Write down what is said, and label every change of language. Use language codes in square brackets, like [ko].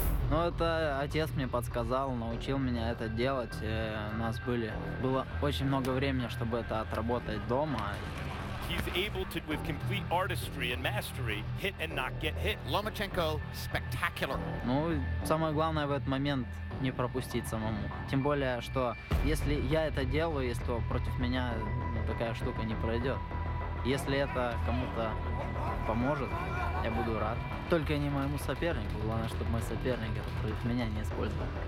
[ru] Ну, это отец мне подсказал, научил меня это делать. У нас было очень много времени, чтобы это отработать дома. [en] He's able to, with complete artistry and mastery, hit and not get hit. Lomachenko, spectacular. [ru] Ну, самое главное в этот момент не пропустить самому. Тем более, что если я это делаю, если то против меня такая штука не пройдет. Если это кому-то поможет, я буду рад. Только не моему сопернику. Главное, чтобы мой соперник это против меня не использовал.